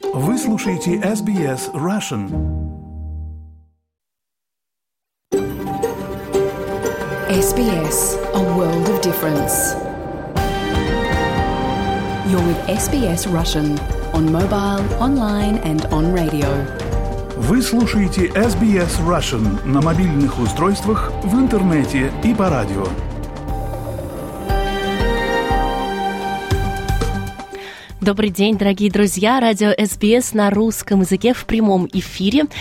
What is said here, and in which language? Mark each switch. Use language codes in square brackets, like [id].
[ru] Вы слушаете SBS Russian. [en] SBS, a world of difference. You're with SBS Russian on mobile, online and on radio. [ru] Вы слушаете SBS Russian на мобильных устройствах, в интернете и по радио. Добрый день, дорогие друзья! Радио SBS на русском языке в прямом эфире.